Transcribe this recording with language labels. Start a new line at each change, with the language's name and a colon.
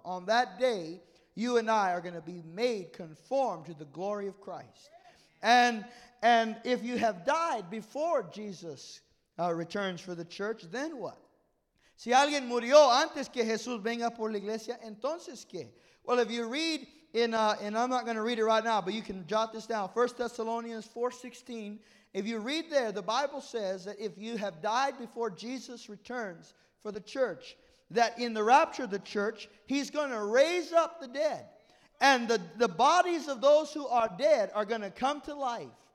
English: On that day, you and I are going to be made conformed to the glory of Christ. And if you have died before Jesus returns for the church, then what?
Spanish: Si alguien murió antes que Jesús venga por la iglesia, entonces qué?
English: Well, if you read and I'm not going to read it right now, but you can jot this down. 1 Thessalonians 4:16. If you read there, the Bible says that if you have died before Jesus returns for the church, that in the rapture of the church, he's going to raise up the dead. And the bodies of those who are dead are going to come to life.